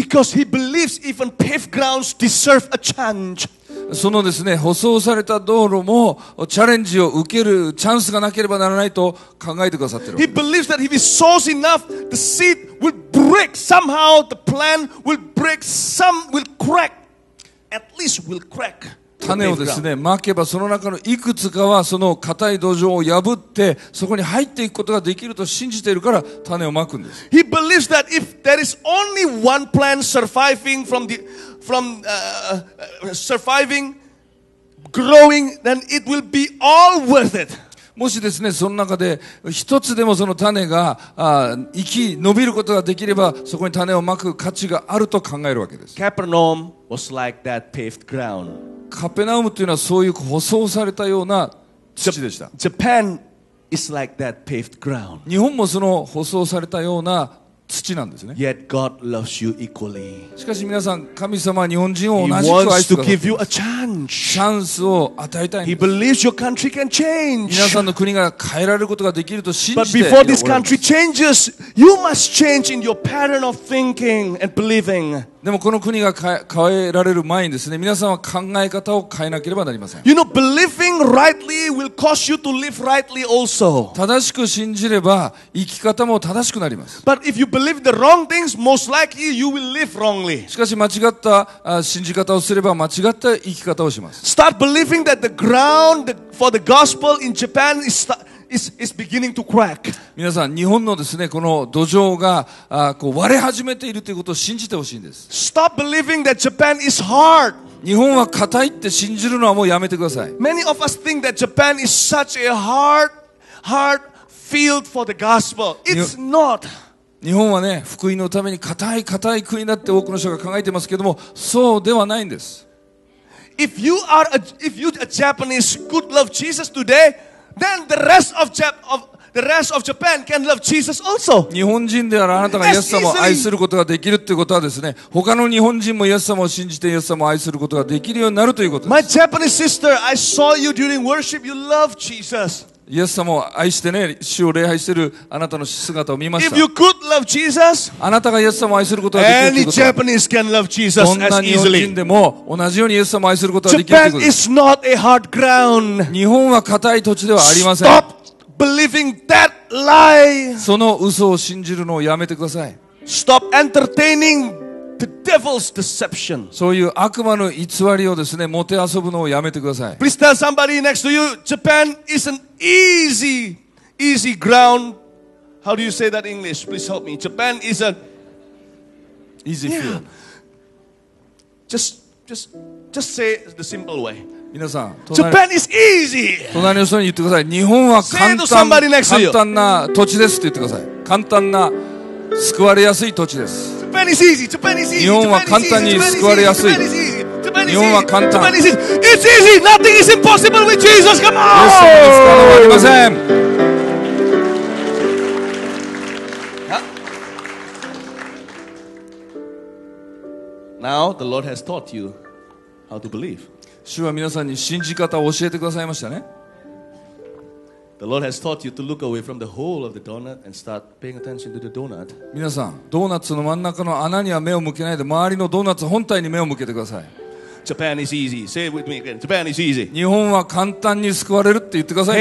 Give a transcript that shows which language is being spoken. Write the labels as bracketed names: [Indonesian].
[English] Because he believes even paved grounds deserve a change. [Japanese] そのですね、舗装された道路もチャレンジを受けるチャンスがなければならないと考えてくださってる。 [English] He believes that if he sows enough, the seed will break somehow, the plant will break, some will crack, at least will crack. [Japanese] 種をですね、まけばその中のいくつかはその硬い土壌を破ってそこに入っていくことができると信じているから種をまくんです。 [English] He believes that if there is only one plant surviving from surviving, growing, then it will be all worth it. [Japanese] もしですね、その中で一つでもその種が生き伸びることができれば、そこに種をまく価値があると考えるわけです。 [English] Capernaum was like that paved ground. [Japanese] カペナウムというのはそういう舗装されたような土でした。 [English] Japan is like that paved ground. [Japanese] 日本もその舗装されたような土なんですね。 [English] Yet God loves you equally. [Japanese] しかし皆さん、神様は日本人を同じく愛してくださっています。 [English] He wants to give you a chance. [Japanese] チャンスを与えたいんです。 [English] He believes your country can change. [Japanese] 皆さんの国が変えられることができると信じています。 [English] But before this country changes, you must change in your pattern of thinking and believing. [Japanese] でもこの国が変えられる前にですね、皆さんは考え方を変えなければなりません。 [English] You know, believing rightly will cause you to live rightly also. [Japanese] 正しく信じれば生き方も正しくなります。 [English] But if you believe the wrong things, most likely you will live wrongly. [Japanese] しかし間違った信じ方をすれば間違った生き方をします。 [English] Start believing that the ground for the gospel in Japan is beginning to crack. [Japanese] 皆さん、日本のですね、この土壌がこう割れ始めているということを信じてほしいんです。 [English] Stop believing that Japan is hard. [Japanese] 日本は硬いって信じるのはもうやめてください。 [English] Many of us think that Japan is such a hard field for the gospel. It's not. [Japanese] 日本はね、福音のために硬い国だって多くの人が考えてますけども、そうではないんです。 [English] If you are a Japanese could love Jesus today,Then the rest of Japan can love Jesus also. [Japanese] 日本人であるあなたがイエス様を愛することができるということはですね、他の日本人もイエス様を信じてイエス様を愛することができるようになるということです。 [English] My Japanese sister, I saw you during worship. You love Jesus. [Japanese] イエス様を愛してね、主を礼拝しているあなたの姿を見ました。 [English] If you could love Jesus, [Japanese] あなたがイエス様を愛することができるということ。 [English] Any Japanese can love Jesus as easily. [Japanese] どんな日本人でも同じようにイエス様を愛することができるということ。 [English] Japan is not a hard ground. [Japanese] 日本は硬い土地ではありません。 [English] Stop believing that lie. [Japanese] その嘘を信じるのをやめてください。 [English] Stop entertaining the devil's deception. [Japanese] そういう悪魔の偽りをですね、もてあそぶのをやめてください。 [English] Please tell somebody next to you, Japan isn'teasy ground. How do you say that in English? Please help me. Japan is an easy field. Just just say the simple way. [Japanese] 皆さん、 [English] Japan is easy. [Japanese] 隣の人に言ってください。日本は簡単、 [English] say to somebody next to you. [Japanese] 簡単な土地ですって言ってください。簡単な救われやすい土地です。 [English] Japan is easy. Japan is easy. [Japanese] 日本は簡単に救われやすい。日本は簡単。 [English] It's easy. Nothing is impossible with Jesus. Come on. [Japanese] 不可能はありません。 [English] Now the Lord has taught you how to believe. [Japanese] 主は皆さんに信じ方を教えてくださいましたね。 [English] The Lord has taught you to look away from the hole of the donut and start paying attention to the donut. [Japanese] 皆さん、ドーナツの真ん中の穴には目を向けないで、周りのドーナツ本体に目を向けてください。 [English] Japan is easy. Say it with me again. Japan is easy. [Japanese] 日本は簡単に救われるって言ってください。